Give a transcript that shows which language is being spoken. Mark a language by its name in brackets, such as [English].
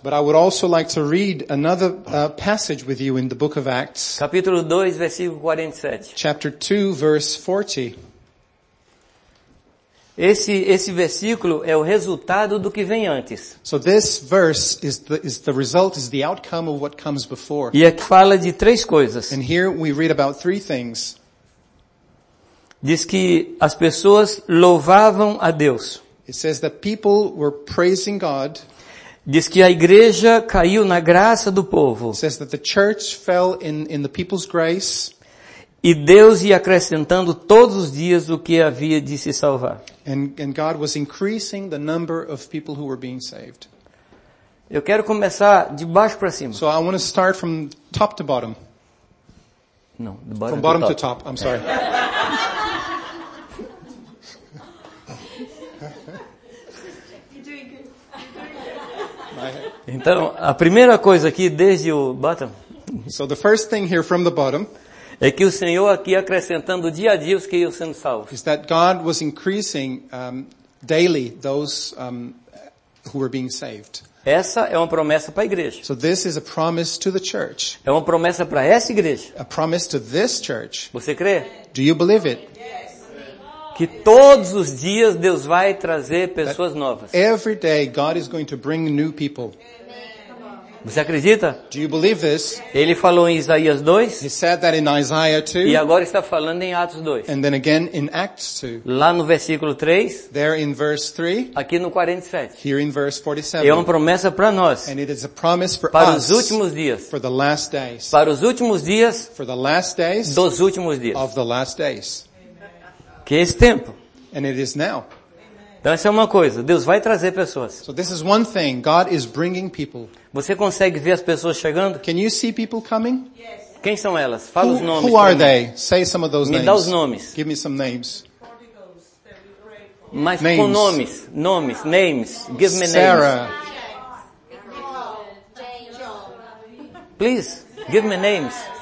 [English] But I would also like to read another passage with you in the book of Acts. [Portuguese] Capítulo 2, versículo 47. [English] Chapter 2, verse 40. [Portuguese] Esse versículo é o resultado do que vem antes. [English] So this verse is the result, is the outcome of what comes before. [Portuguese] E aqui fala de 3 coisas. [English] And here we read about 3 things. [Portuguese] Diz que as pessoas louvavam a Deus. [English] It says that people were praising God. [Portuguese] Diz que a igreja caiu na graça do povo. [English] It says that the church fell in the people's grace. [Portuguese] E Deus ia acrescentando todos os dias o que havia de se salvar. [English] And God was increasing the number of people who were being saved. [Portuguese] Eu quero começar de baixo para cima. [English] So I want to start from top to bottom. No, the bottom. From bottom to top. To top. I'm sorry. [Portuguese] Então, a primeira coisa aqui desde o bottom. [English] So the first thing here from the bottom. [Portuguese] É que o Senhor aqui acrescentando dia a dia os que iam sendo salvos. [English] Is that God was increasing daily those who were being saved. [Portuguese] Essa é uma promessa para a igreja. [English] So this is a promise to the church. [Portuguese] É uma promessa para essa igreja. [English] A promise to this church. [Portuguese] Você crê? [English] Do you believe it? [Portuguese] Que todos os dias Deus vai trazer pessoas novas. [English] Every day God is going to bring new people. [Portuguese] Você acredita? [English] Do you believe this? [Portuguese] Ele falou em Isaías 2. [English] He said that in Isaiah 2. [Portuguese] E agora está falando em Atos 2. [English] And then again in Acts 2. [Portuguese] Lá no versículo 3. [English] There in verse 3. [Portuguese] Aqui no 47. [English] Here in verse 47. [Portuguese] É uma promessa para nós. [English] And it is a promise for us. [Portuguese] Para os últimos dias. [English] For the last days. [Portuguese] Para os últimos dias. [English] For the last days. [Portuguese] Dos últimos dias. [English] Of the last days. [Portuguese] Que é esse tempo. [English] And it is now. [Portuguese] Então essa é uma coisa. Deus vai trazer pessoas. [English] So this is one thing. God is bringing people. [Portuguese] Você consegue ver as pessoas chegando? [English] Can you see people coming? Yes. [Portuguese] Quem são elas? Fala os nomes. [English] Who are they? Say some of those [Portuguese] names. Me dá os nomes. [English] Give me some names. [Portuguese] Mas com nomes. Nomes. [English] Names. Give me Sarah. Names. Sarah. Please, give me names.